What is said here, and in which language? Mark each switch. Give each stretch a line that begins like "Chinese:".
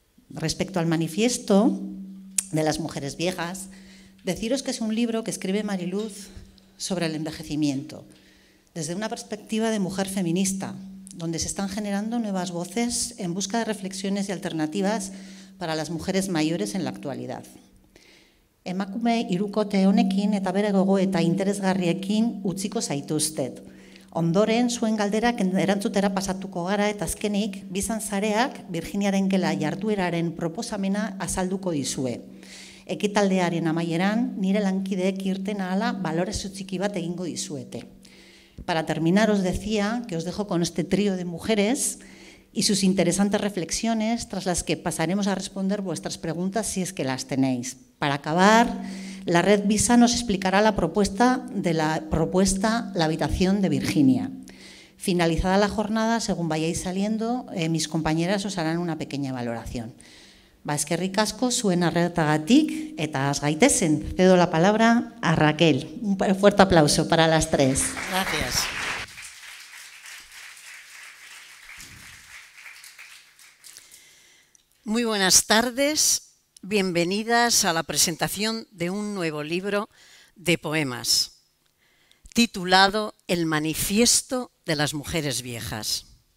Spanish: Respecto al manifiesto de las mujeres viejas, deciros que es un libro que escribe Mariluz sobre el envejecimiento, desde una perspectiva de mujer feminista, donde se están generando nuevas voces en busca de reflexiones y alternativas para las mujeres mayores en la actualidad.
Basque: Emakume irukote honekin eta bere gogo eta interesgarriekin utziko zaituztet. Ondoren, zuen galderak erantzutera pasatuko gara eta azkenik, bizan zareak Virginiaren Gela jardueraren proposamena azalduko dizue. Ekitaldearen amaieran, nire lankideek irten ahala balorezu txiki bat egingo dizuete.
Spanish: Para terminar, os decía que os dejo con este trío de mujeres y sus interesantes reflexiones, tras las que pasaremos a responder vuestras preguntas si es que las tenéis. Para acabar, la red VISA nos explicará la propuesta de la habitación de Virginia. Finalizada la jornada, según vayáis saliendo, mis compañeras os harán una pequeña valoración.
Basque: Eskerrik asko zuen arretagatik eta has gaitezen.
Spanish: Cedo la palabra a Raquel. Un fuerte aplauso para las tres. Gracias. Muy buenas tardes. Bienvenidas a la presentación de un nuevo libro de poemas titulado El manifiesto de las mujeres viejas.